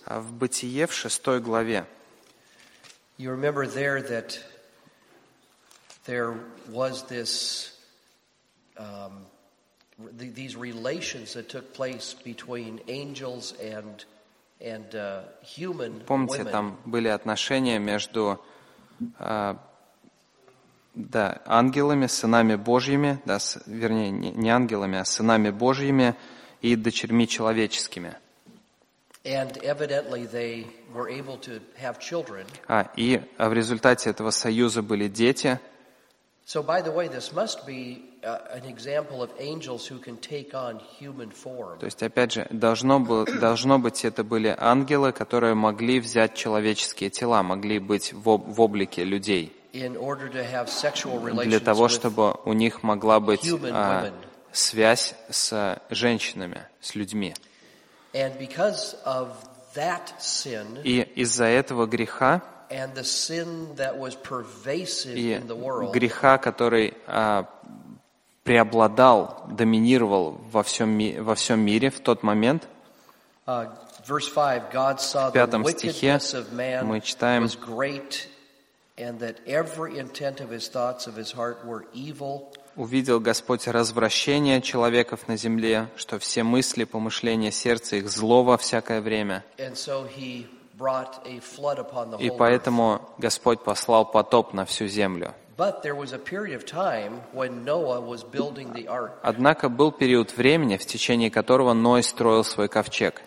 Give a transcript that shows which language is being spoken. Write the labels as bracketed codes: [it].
[ru] в Бытие, в шестой главе, [en] you remember there that there was this, these relations that took place between angels and human women. [ru] Помните, там были отношения между ангелами, сынами Божьими, да, вернее, не ангелами, а сынами Божьими, и дочерьми человеческими. [en] And evidently they were able to have children. [ru] И в результате этого союза были дети. [en] So by the way, this must be an example of angels who can take on human form. [ru] То есть, опять же, должно быть, это были ангелы, которые могли взять человеческие тела, могли быть в облике людей. [en] In order to have sexual relations [ru] для того, чтобы у них могла быть связь с женщинами, с людьми. [en] And because of that sin, [ru] и из-за этого греха [en] and the sin that was pervasive [ru] и [en] in the world, [ru] греха, который преобладал, доминировал во всем мире в тот момент, [en] verse 5, God saw the wickedness of man was great, and that every intent of his thoughts of his heart were evil. [ru] Увидел Господь развращение человеков на земле, что все мысли, помышления сердца их зло во всякое время. [en] And so he brought a flood upon the whole earth. [ru] И поэтому Господь послал потоп на всю землю. But there was a period of time when Noah was building the ark. Однако был период времени, в течение которого Ной строил свой ковчег.